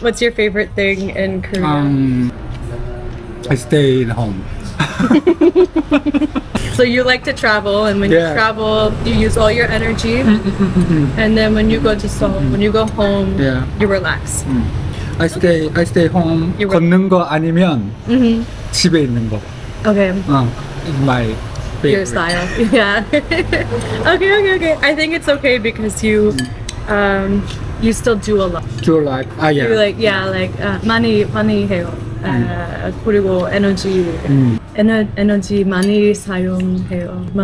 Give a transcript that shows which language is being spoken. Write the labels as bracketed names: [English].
[English] What's your favorite thing in Korea? I stay at home. So you like to travel, and when you travel, you use all your energy. And then when you go to Seoul, when you go home, you relax. I stay home. [Korean] 걷는 거 아니면 집에 있는 거. [English] Okay. My favorite. Your style. Yeah. Okay. I think it's okay because you. You still do a lot. Do a lot. You like, like, money 해요. [Korean] 그리고 energy. Energy 많이 사용해요.